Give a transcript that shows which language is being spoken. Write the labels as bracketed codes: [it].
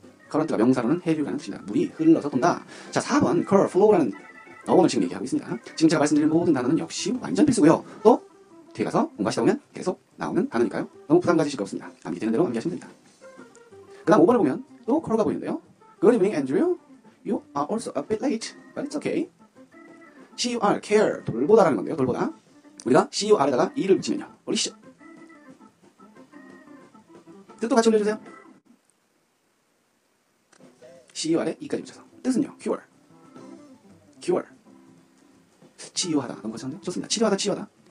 [ko] current가 명사로는 해류라는 뜻입니다. 물이 흘러서 돈다. 자, 4번 curl, flow라는 어원을 지금 얘기하고 있습니다. 지금 제가 말씀드린 모든 단어는 역시 완전 필수고요. 또 뒤에 가서 공부하시다 보면 계속 나오는 단어니까요. 너무 부담 가지실 거 없습니다. 암기 되는 대로 암기하시면 됩니다. 그 다음 5번을 보면 또 컬러가 보이는데요. [en] Good evening, Andrew. You are also a bit late, but it's okay. [ko] C-U-R, care, 돌보다라는 건데요. 돌보다. 우리가 C-U-R에다가 E를 붙이면요. 올리시죠. 뜻도 같이 올려주세요. C-U-R에 E까지 붙여서. 뜻은요, cure. cure. 치유하다. 너무 거창한데? 좋습니다. 치료하다, 치유하다.